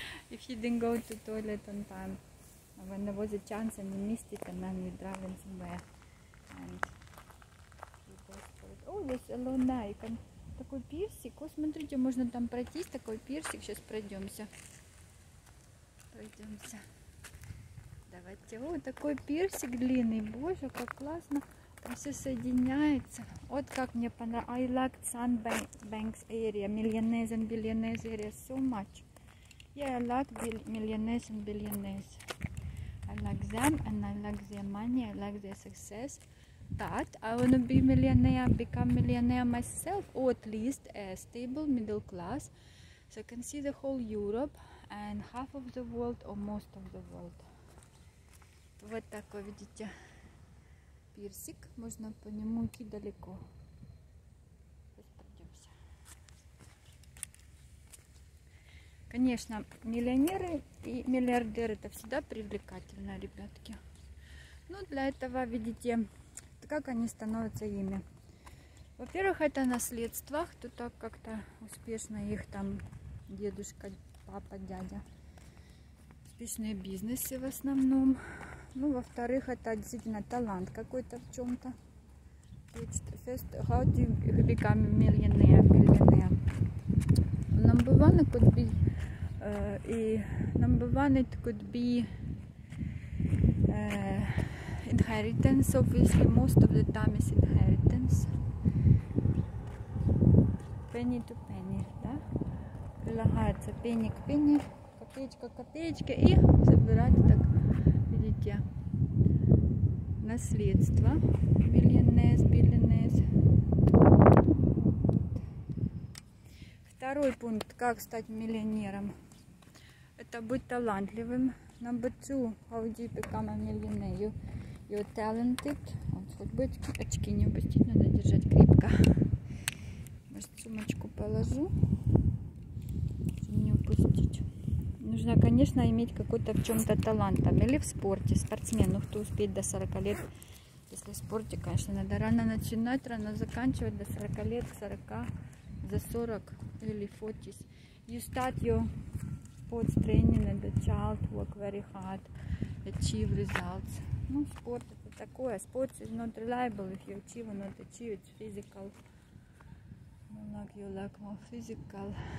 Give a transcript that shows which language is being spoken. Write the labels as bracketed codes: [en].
[en] If you didn't go to toilet on time, when there was a chance and you missed it, and then you're driving somewhere and [ru] О, здесь луна, и такой пирсик. О, смотрите, можно там пройтись, такой пирсик. Сейчас пройдемся. Пройдемся. Давайте. О, такой пирсик длинный. Боже, как классно. Там все соединяется. Вот как мне понравилось. [en] I like Sandbanks area. Millionaires and billionaires area so much. Yeah, I like millionaires and billionaires. I like them and I like their money. I like their success. That I want to be millionaire, become millionaire myself, or at least a stable middle class, so I can see the whole Europe and half of the world or most of the world. [ru] Вот такой, видите, пирсик. Можно по нему идти далеко. Пойдемся. Конечно, миллионеры и миллиардеры — это всегда привлекательно, ребятки. Ну, для этого, видите, как они становятся ими. Во-первых, это наследство. Кто-то как-то успешно, их там дедушка, папа, дядя. Успешные бизнесы в основном. Ну, во-вторых, это действительно талант какой-то в чем-то. [en] First, how do you become a millionaire? Number one could be inheritance, obviously, most of the time is inheritance. Penny to penny, да? [ru] Прилагается penny к penny, копеечка к копеечке, и забирать, так, видите, наследство. [en] Millionaires, billionaires. [ru] Второй пункт, как стать миллионером. Это быть талантливым. [en] Number two, how do you become a millionaire? You talented. [ru] Вот, хоть бы очки не упустить, надо держать крепко. Может, сумочку положу, чтобы не упустить. Нужно, конечно, иметь какой-то в чем-то талант. Там, или в спорте, спортсмен. Ну, кто успеет до 40 лет. Если в спорте, конечно, надо рано начинать, рано заканчивать. До 40 лет, 40, за 40 или 40. [en] You start your sports training and the child work very hard, achieve results. [ru] Ну, спорт это такое. [en] Sports is not reliable if you achieve or not achieve. It's physical. Like you lack more physical.